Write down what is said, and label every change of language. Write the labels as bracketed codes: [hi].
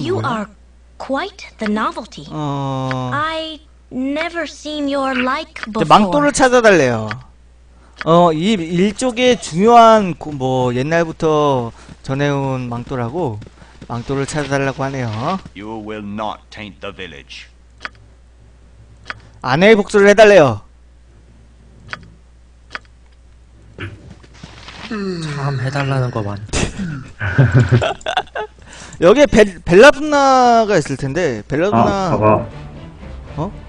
[en] You are quite the novelty. I never seen your like before. [ko] 망토를 찾아달래요. 이 일족의 중요한 뭐 옛날부터 전해온 망토라고 망토를 찾아달라고 하네요. [en] You will not taint the village. [ko] 아내의 복수를 해달래요. 참 해달라는 거 많대. 여기에 벨라둔나가 있을 텐데 벨라둔나. 아, 봐봐. 어?